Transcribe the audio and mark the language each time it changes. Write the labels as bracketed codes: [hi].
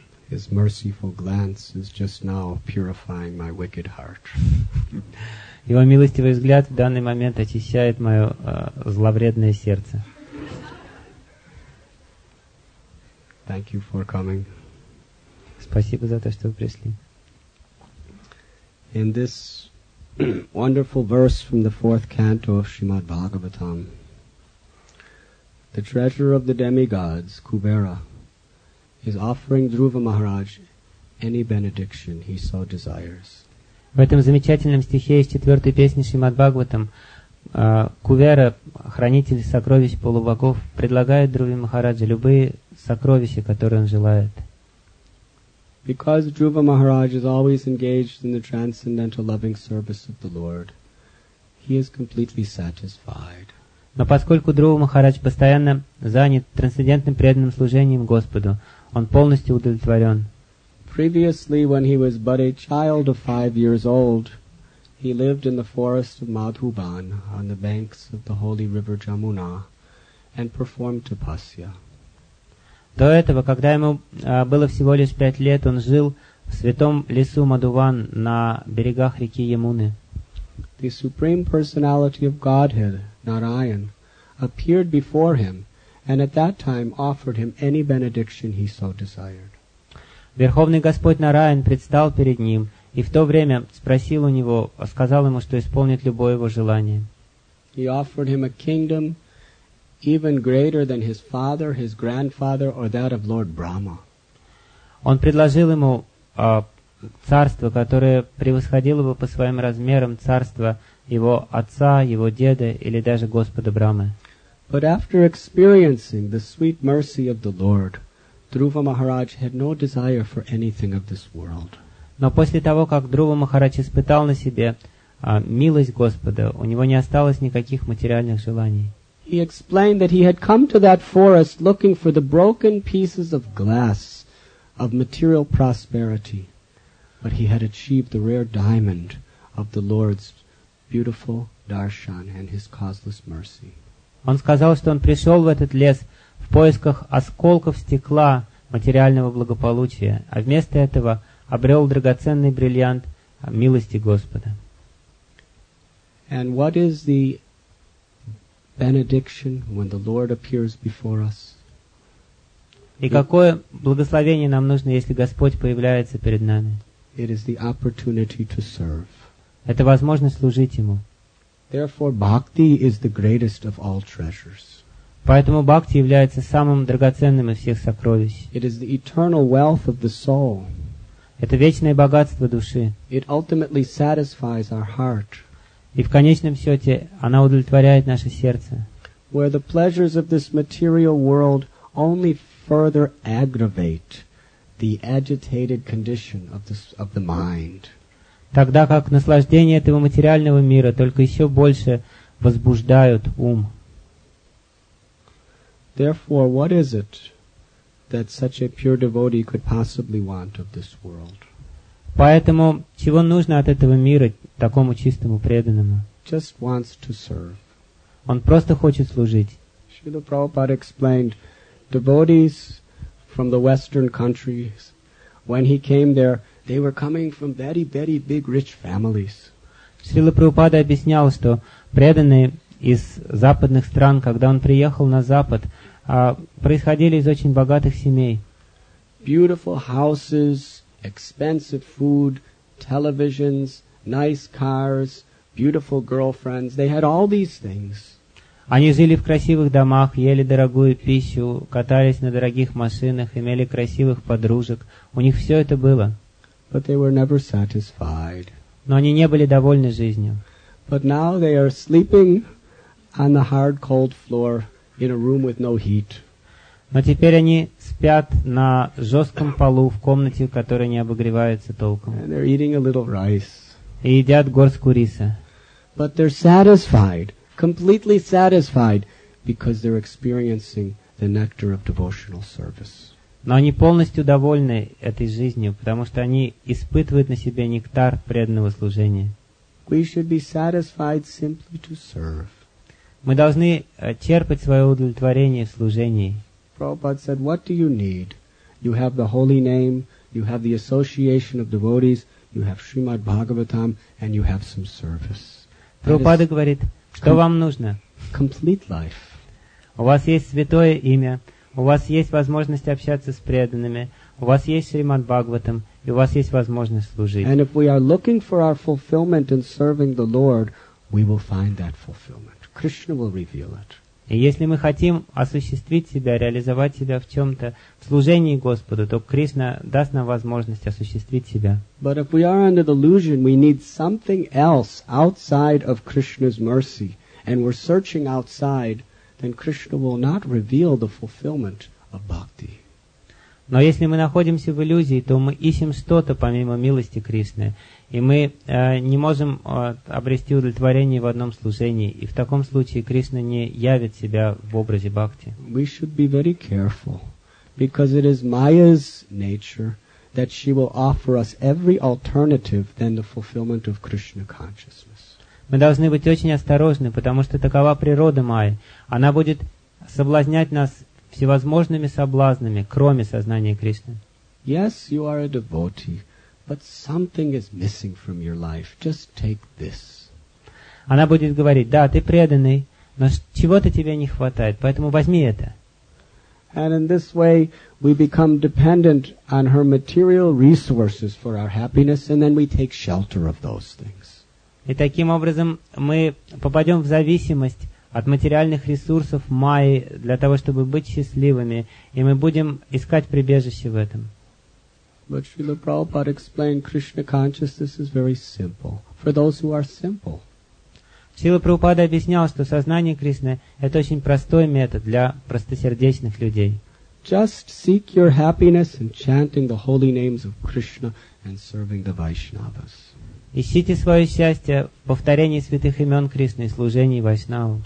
[en] His merciful glance is just now purifying my wicked heart. [ru] Его милостивый взгляд в данный момент очищает мое зловредное сердце. [en] Thank you for coming. [ru] Спасибо за то, что вы пришли. [en] In this wonderful verse from the fourth canto of Srimad Bhagavatam, the treasure of the demigods, Kubera, is offering Dhruva Maharaj any benediction he so desires. [ru] В этом замечательном стихе из четвертой песни Шримад Бхагаватам Кувера, хранитель сокровищ полубогов, предлагает Друве Махараджа любые сокровища, которые он желает. [en] Because Dhruva Maharaj is always engaged in the transcendental loving service of the Lord, he is completely satisfied. [ru] Но поскольку Друва Махарадж постоянно занят трансцендентным преданным служением Господу, он полностью удовлетворен. [en] Previously, when he was but a child of 5 years old, he lived in the forest of Madhuban on the banks of the holy river Jamuna and performed tapasya. [ru] До этого, когда ему было всего лишь 5 лет, он жил в святом лесу Мадхуван на берегах реки Ямуны. [en] The Supreme Personality of Godhead, Narayan, appeared before him and at that time offered him any benediction he so desired. [ru] Верховный Господь Нараян предстал перед ним и в то время спросил у него, сказал ему, что исполнит любое его желание. [en] He offered him a kingdom even greater than his father, his grandfather, or that of Lord Brahma. [ru] Он предложил ему царство, которое превосходило бы по своим размерам царство его отца, его деда или даже Господа Брамы. [en] But after experiencing the sweet mercy of the Lord, Dhruva Maharaj had no desire for anything of this world. [ru] Но после того, как Друва Махарадж испытал на себе милость Господа, у него не осталось никаких материальных желаний. [en] He explained that he had come to that forest looking for the broken pieces of glass of material prosperity, but he had achieved the rare diamond of the Lord's beautiful darshan and his causeless mercy. [ru] Он сказал, что он пришел в этот лес в поисках осколков стекла материального благополучия, а вместо этого обрел драгоценный бриллиант милости Господа. [en] And what is the benediction when the Lord appears before us? [ru] И какое благословение нам нужно, если Господь появляется перед нами? [en] It is the opportunity to serve. [ru] Это возможность служить Ему. [en] Therefore, bhakti is the greatest of all treasures. [ru] Поэтому бхакти является самым драгоценным из всех сокровищ. [en] It is the eternal wealth of the soul. [ru] Это вечное богатство души. [en] It ultimately satisfies our heart. [ru] И в конечном счете она удовлетворяет наше сердце. [en] Where the pleasures of this material world only further aggravate the agitated condition of the mind. [ru] Тогда как наслаждения этого материального мира только еще больше возбуждают ум. [en] Therefore, what is it that such a pure devotee could possibly want of this world? [ru] Поэтому чего нужно от этого мира такому чистому преданному? [en] Just wants to serve. [ru] Он просто хочет служить. [en] Шрила Прабхупада explained, devotees from the Western countries, when he came there, they were coming from very, very big rich families. [ru] Шрила Прабхупада объяснял, что преданные из западных стран, когда он приехал на Запад, происходили из очень богатых семей. [en] Beautiful houses, expensive food, televisions, nice cars, beautiful girlfriends. They had all these things. [ru] Они жили в красивых домах, ели дорогую пищу, катались на дорогих машинах, имели красивых подружек. У них все это было. [en] But they were never satisfied. [ru] Но они не были довольны жизнью. [en] But now they are sleeping on the hard, cold floor in a room with no heat. [ru] Но теперь они спят на жестком полу в комнате, которая не обогревается толком. [en] And they're eating a little rice. [ru] И едят горстку риса. [en] But they're satisfied. Completely satisfied because they're experiencing the nectar of devotional service. [ru] Но они полностью довольны этой жизнью, потому что они испытывают на себе нектар преданного служения. [en] We should be satisfied simply to serve. [ru] Мы должны черпать свое удовлетворение в служении. [en] Prabhupada said, "What do you need? You have the holy name, you have the association of devotees, you have Srimad Bhagavatam, and you have some service." [ru] Prabhupada говорит. Что вам нужно? [en] Complete life. [ru] У вас есть святое имя, у вас есть возможность общаться с преданными, у вас есть Шримад Бхагаватам, и у вас есть возможность служить. [en] And if we are looking for our fulfillment in serving the Lord, we will find that fulfillment. Krishna will reveal it. [ru] И если мы хотим осуществить себя, реализовать себя в чем-то, в служении Господу, то Кришна даст нам возможность осуществить себя. [en] But if we are under the illusion, we need something else outside of Krishna's mercy, and we're searching outside, then Krishna will not reveal the fulfillment of bhakti. [ru] Но если мы находимся в иллюзии, то мы ищем что-то помимо милости Кришны, и мы не можем обрести удовлетворение в одном служении, и в таком случае Кришна не явит себя в образе бхакти. [en] We should be very careful, because it is Maya's nature that she will offer us every alternative than the fulfillment of Krishna consciousness. [ru] Мы должны быть очень осторожны, потому что такова природа Майи. Она будет соблазнять нас всевозможными соблазнами, кроме сознания Кришны. [en] Yes, you are a devotee, but something is missing from your life. Just take this. [ru] Она будет говорить: да, ты преданный, но чего-то тебе не хватает, поэтому возьми это. [en] And in this way, we become dependent on her material resources for our happiness, and then we take shelter of those things. [ru] И таким образом мы попадем в зависимость от материальных ресурсов Майи для того, чтобы быть счастливыми, и мы будем искать прибежище в этом. [en] But Srila Prabhupada explained, Krishna consciousness is very simple for those who are simple. [ru] Srila Prabhupada объяснял, что сознание Кришны — это очень простой метод для простосердечных людей. [en] Just seek your happiness in chanting the holy names of Krishna and serving the Vaishnavas. [ru] Ищите свое счастье в повторении святых имен Кришны и служении Вайшнавам.